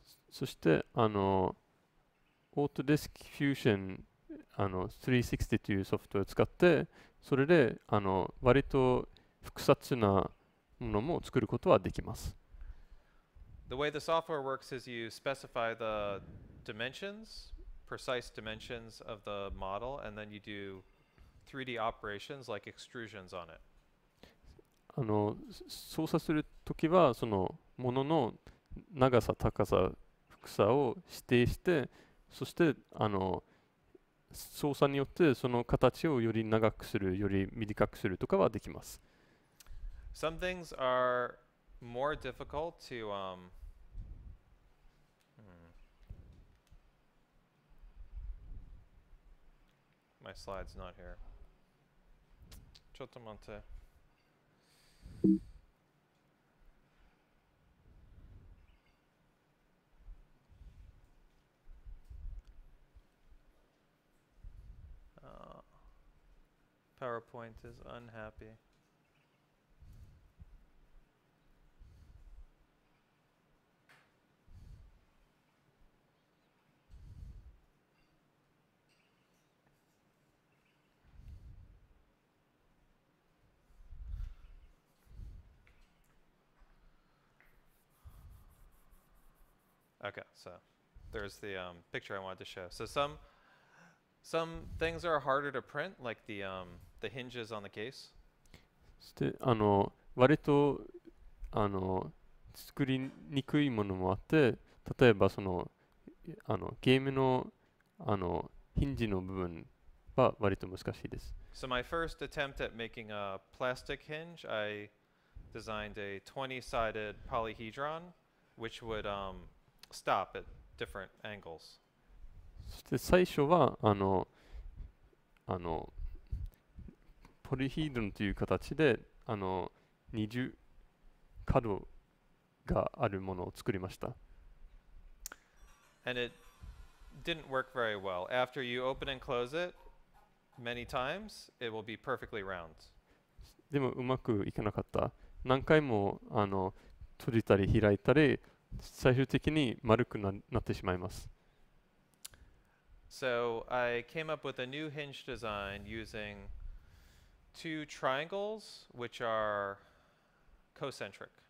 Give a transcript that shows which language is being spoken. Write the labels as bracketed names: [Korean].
[Japanese] そしてあの、オートデスクフュージョン、あの、360というソフトを使って、それで、あの、割と複雑なものも作ることはできます。 [English] The way the software works is you specify the dimensions, precise dimensions of the model, and then you do 3D operations like extrusions on it. [Japanese] あの、操作するときは、その、ものの長さ、高さ、草を指定して、そしてあの操作によってその形をより長くする、より短くするとかはできます。 [English] Some things are more difficult to My slide's not here. [Japanese] ちょっと待って。 [English] PowerPoint is unhappy. Okay, so there's the picture I wanted to show. So some things are harder to print, like the hinges on the case. [Japanese] そして、あの、割と、あの、作りにくいものもあって、例えば、その、あの、ゲームの、あの、ヒンジの部分は割と難しいです。 [English] So my first attempt at making a plastic hinge, I designed a 20-sided polyhedron, which would stop at different angles. [Japanese] そして最初はポリヒドロンという形で20角があるものを作りました。 [English] And it didn't work very well. After you open and close it many times, it will be perfectly round. [Japanese] でもうまくいかなかった。何回も閉じたり開いたり、最終的に丸くなってしまいます。 [English] So I came up with a new hinge design using two triangles, which are concentric.